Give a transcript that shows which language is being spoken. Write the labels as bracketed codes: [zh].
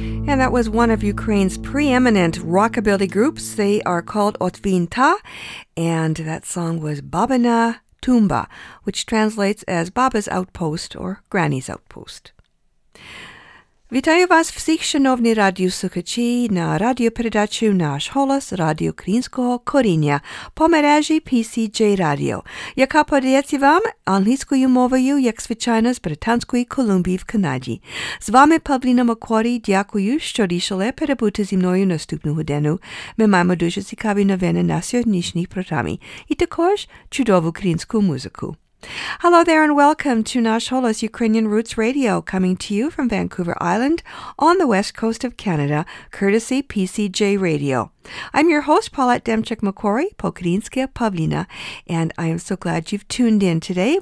[en] And that was one of Ukraine's preeminent rockabilly groups. They are called Otvinta, and that song was Babina Tumba, which translates as Baba's Outpost or Granny's Outpost. [uk] Вітаю вас всіх, шановні радіослухачі, на радіопередачі «Наш голос» Радіо Українського коріння по мережі PCJ Radio, яка подається вам англійською мовою, як звичайно, з Британської Колумбії в Канаді. З вами Павліна Макорі, дякую, що рішили перебути зі мною наступну годину. Ми маємо дуже цікаві новини на сьогоднішній програмі і також чудову українську музику. [en] Hello there and welcome to Nash Holos Ukrainian Roots Radio, coming to you from Vancouver Island on the west coast of Canada, courtesy PCJ Radio. I'm your host, Paulette Demchuk-Makori, Pokrinska Pavlina, and I am so glad you've tuned in today.